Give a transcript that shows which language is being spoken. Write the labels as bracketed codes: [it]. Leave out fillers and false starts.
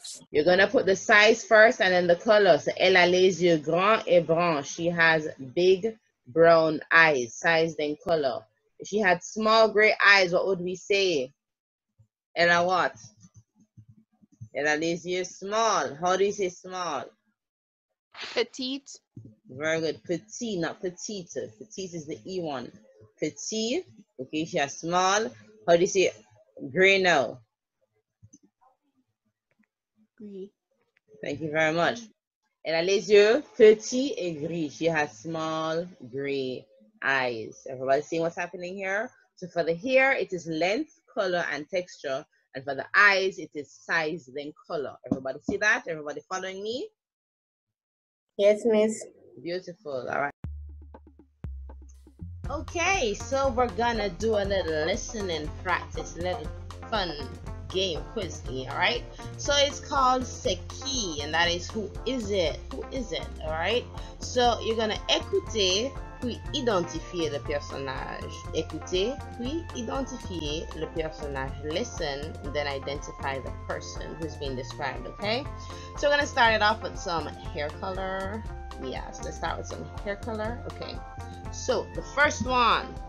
[en] You're going to put the size first and then the color. [fr] So, elle a les yeux grands et bruns. [en] She has big brown eyes. Size, then color. If she had small gray eyes, what would we say? [fr] Elle a what? Elle a les yeux small. [en] How do you say small? [fr] Petite. [en] Very good. Petite, not petite. Petite is the E one. Petite. Okay, she has small. How do you say gray now? [fr] Gris. [en] Thank you very much. [fr] Elle a les yeux petits et gris. [en] She has small gray eyes. Everybody seeing what's happening here? So for the hair, it is length, color, and texture. And for the eyes, it is size, then color. Everybody see that? Everybody following me? Yes, miss. Beautiful. All right. Okay, so we're gonna do a little listening practice, a little fun game quiz thing, all right? So it's called Seki, and that is who is it? Who is it? All right? So you're gonna [fr] écouter puis identifier le personnage. Écouter puis identifier le personnage. [en] Listen, then identify the person who's being described, okay? So we're gonna start it off with some hair color. Yeah, so let's start with some hair color. Okay, so the first one.